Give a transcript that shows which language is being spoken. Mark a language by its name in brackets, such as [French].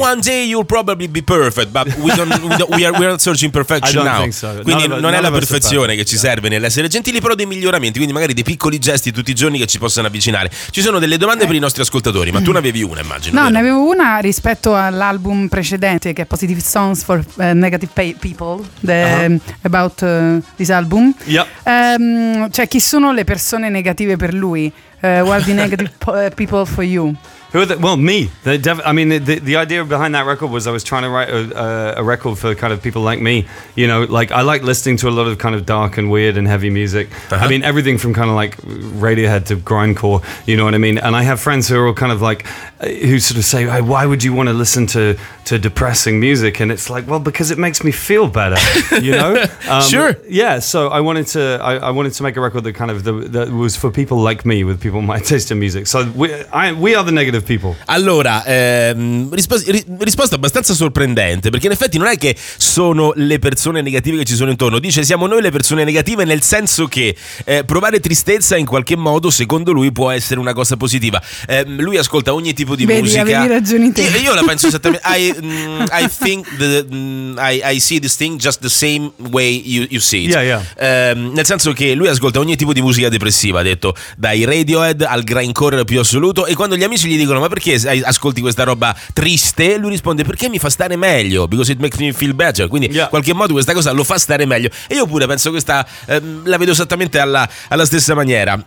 [English] One day you'll probably be perfect, but we are not searching perfection now. I don't now. Think so. [Italian] Quindi non è la perfezione che ci serve nell'essere gentili, però dei miglioramenti, quindi magari dei piccoli gesti tutti i giorni che ci possano avvicinare. Ci sono delle domande per i nostri ascoltatori, ma tu ne avevi una, immagino. No, vero? Ne avevo una rispetto all'album precedente, che è Positive Songs for Negative People, [English] about this album. Yeah. [Italian] Cioè, chi sono le persone negative per lui? [English] What are the negative people for you? Who are well, me. The idea behind that record was I was trying to write a record for kind of people like me. You know, like I like listening to a lot of kind of dark and weird and heavy music. Uh-huh. I mean, everything from kind of like Radiohead to grindcore. You know what I mean? And I have friends who are all kind of like, who sort of say, hey, why would you want to listen to depressing music? And it's like, well, because it makes me feel better. You know? Sure. Yeah. So I wanted to make a record that kind of that was for people like me, with people my taste in music. So we are the negative people. [Italian] Allora, risposta abbastanza sorprendente, perché in effetti non è che sono le persone negative che ci sono intorno. Dice, siamo noi le persone negative, nel senso che provare tristezza in qualche modo, secondo lui, può essere una cosa positiva. Lui ascolta ogni tipo di musica. Avevi ragione te. Io la penso esattamente. [English] I see this thing just the same way you see it. [Italian] Nel senso che lui ascolta ogni tipo di musica depressiva, ha detto, dai Radiohead al grindcore più assoluto, e quando gli amici gli dicono, ma perché ascolti questa roba triste? Lui risponde, perché mi fa stare meglio, [English] because it makes me feel better. [Italian] Quindi in qualche modo questa cosa lo fa stare meglio. E io pure penso questa, la vedo esattamente alla stessa maniera.